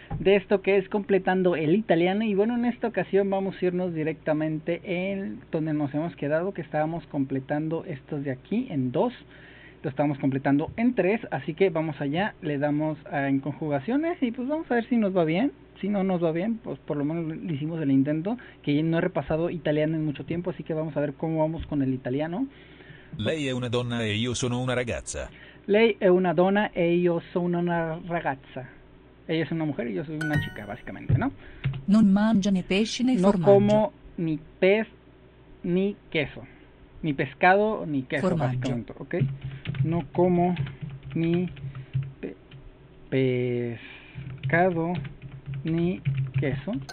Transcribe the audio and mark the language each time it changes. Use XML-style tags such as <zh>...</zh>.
<es>De esto que es completando el italiano. Y bueno, en esta ocasión vamos a irnos directamente en donde nos hemos quedado, que estábamos completando estos de aquí en dos. Lo estamos completando en tres, así que vamos allá, le damos en conjugaciones y pues vamos a ver si nos va bien. Si no nos va bien, pues por lo menos le hicimos el intento, que no he repasado italiano en mucho tiempo, así que vamos a ver cómo vamos con el italiano.</es> <it>Lei è una donna e io sono una ragazza. Lei è una donna e io sono una ragazza.</it> <es>Ella es una mujer y yo soy una chica, básicamente, ¿no?</es> <it>Non mangio né pesce né no formaggio.</it> <es>No como ni pez ni queso. Ni pescado ni queso,</es> <it>formaggio.</it> <es>Básicamente, ¿ok? No como ni pescado ni queso.</es>